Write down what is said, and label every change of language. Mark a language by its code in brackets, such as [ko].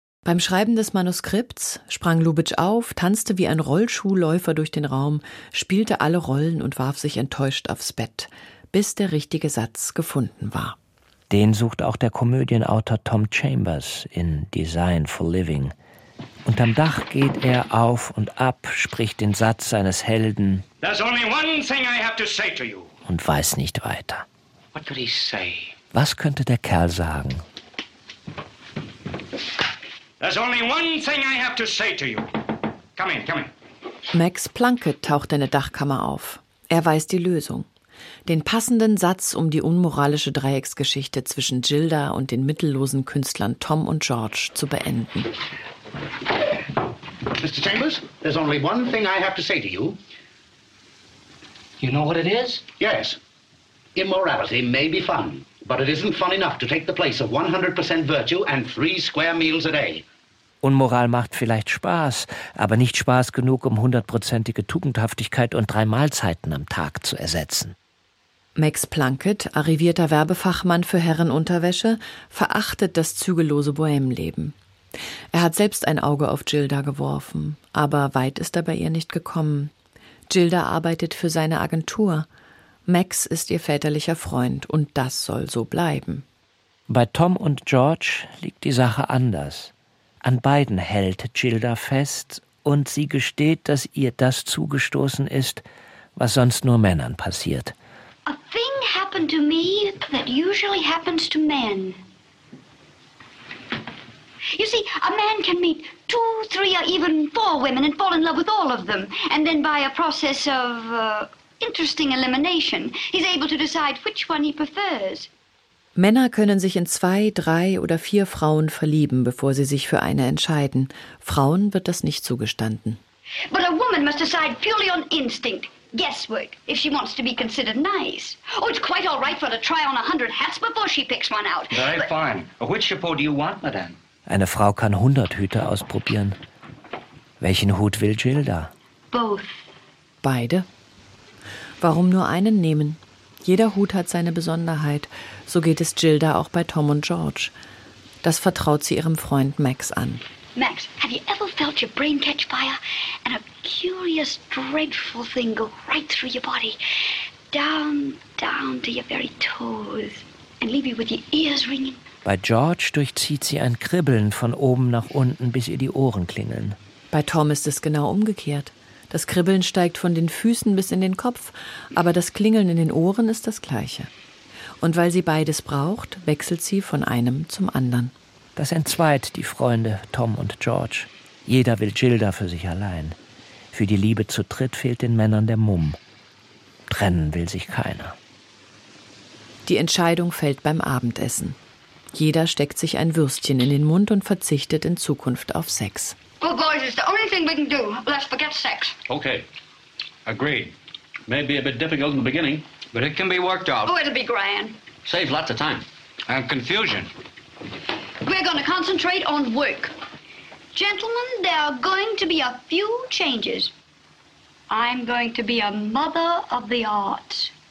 [de] Beim Schreiben des Manuskripts sprang Lubitsch auf, tanzte wie ein Rollschuhläufer durch den Raum, spielte alle Rollen und warf sich enttäuscht aufs Bett, bis der richtige Satz gefunden war. Den sucht auch der Komödienautor Tom Chambers in Design for Living. Unterm Dach geht er auf und ab, spricht den Satz seines Helden. [en] There's only one thing I have to say to you. [de] Und weiß nicht weiter. [en] What could he say? [de] Was könnte der Kerl sagen? [en] There's only one thing I have to say to you. Come in, come in. [de] Max Plunkett taucht in der Dachkammer auf. Er weiß die Lösung. Den passenden Satz, um die unmoralische Dreiecksgeschichte zwischen Gilda und den mittellosen Künstlern Tom und George zu beenden. [en] Mr. Chambers, there's only one thing I have to say to you. You know what it is? Yes. Immorality may be fun. But it isn't fun enough to take the place of 100% virtue and 3 square meals a day. [de] Unmoral macht vielleicht Spaß, aber nicht Spaß genug, um 100%ige Tugendhaftigkeit und 3 Mahlzeiten am Tag zu ersetzen. Max Plunkett, arrivierter Werbefachmann für Herrenunterwäsche, verachtet das zügellose Bohème-Leben. Er hat selbst ein Auge auf Gilda geworfen, aber weit ist er bei ihr nicht gekommen. Gilda arbeitet für seine Agentur. Max ist ihr väterlicher Freund und das soll so bleiben. Bei Tom und George liegt die Sache anders. An beiden hält Gilda fest und sie gesteht, dass ihr das zugestoßen ist, was sonst nur Männern passiert. [en] A thing happened to me that usually happens to men. You see, a man can meet 2, 3 or even 4 women and fall in love with all of them. And then by a process of... Interesting elimination. He's able to decide which one he prefers. [de] Männer können sich in 2, 3 oder 4 Frauen verlieben, bevor sie sich für eine entscheiden. Frauen wird das nicht zugestanden. [en] But a woman must decide purely on instinct, guesswork, if she wants to be considered nice. Oh, it's quite all right for her to try on 100 hats before she picks one out. Very but fine. Which chapeau do you want, madame? [de] Eine Frau kann 100 Hüte ausprobieren. Welchen Hut will Gilda? [en] Both. [de] Beide? Warum nur einen nehmen? Jeder Hut hat seine Besonderheit. So geht es Gilda auch bei Tom und George. Das vertraut sie ihrem Freund Max an. [en] Max, have you ever felt your brain catch fire? And a curious, dreadful thing go right through your body? down, down to your very toes and leave you with your ears ringing. [de] Bei George durchzieht sie ein Kribbeln von oben nach unten, bis ihr die Ohren klingeln. Bei Tom ist es genau umgekehrt. Das Kribbeln steigt von den Füßen bis in den Kopf, aber das Klingeln in den Ohren ist das Gleiche. Und weil sie beides braucht, wechselt sie von einem zum anderen. Das entzweit die Freunde Tom und George. Jeder will Gilda für sich allein. Für die Liebe zu dritt fehlt den Männern der Mumm. Trennen will sich keiner. Die Entscheidung fällt beim Abendessen. Jeder steckt sich ein Würstchen in den Mund und verzichtet in Zukunft auf Sex. [en] Well, boys, it's the only thing we can do. Let's forget sex. Okay. Agreed. May be a bit difficult in the beginning, but it can be worked out. Oh, it'll be grand. Save lots of time. And confusion. We're gonna concentrate on work. Gentlemen, there are going to be a few changes. I'm going to be a mother of the arts.